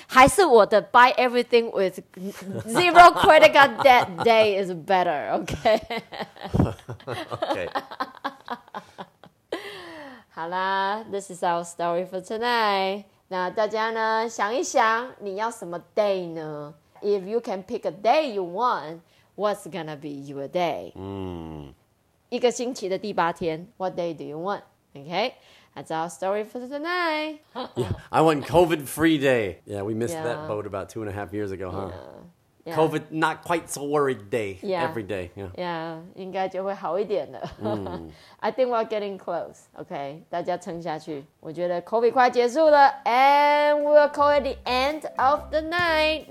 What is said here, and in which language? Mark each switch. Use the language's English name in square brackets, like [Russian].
[Chinese] 还是我的 [English] buy everything with zero credit card debt day is better. Okay. Okay. [Chinese] 好啦, [English] this is our story for tonight. [Chinese] 那大家呢, 想一想, 你要什么day呢? [English] If you can pick a day you want, what's gonna be your day? [Chinese] 一个星期的第八天, [English] what day do you want? Okay, that's our story for tonight. Yeah, I want COVID-free day. Yeah, we missed that boat about 2.5 years ago, huh? Yeah. COVID not quite so worried day, every day. [Chinese] Yeah, 应该就会好一点了。 [English] I think we're getting close, okay? [Chinese] 大家撑下去, 我觉得 COVID快结束了, [English] and we'll call it the end of the night.